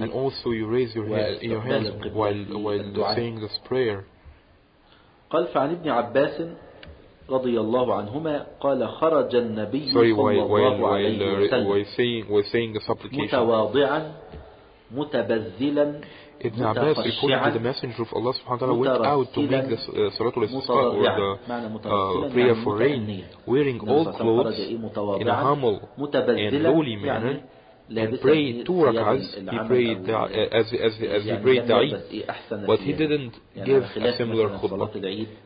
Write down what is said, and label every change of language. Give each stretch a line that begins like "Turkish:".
English: and also you raise your hands while saying this prayer.
Arabic: قال فعن ابن عباس رضي الله عنهما قال خرج النبي صلى الله عليه وسلم متواضعا متبذلا
English: ابن عباس reported to the messenger of Allah
Arabic: سبحانه وتعالى
English: went out to make the صلاة الاستسقاء or prayer for rain wearing all clothes in a humble and lowly manner and prayed two rak'ahs. He prayed as he prayed the Eid, but he didn't give a similar khutbah.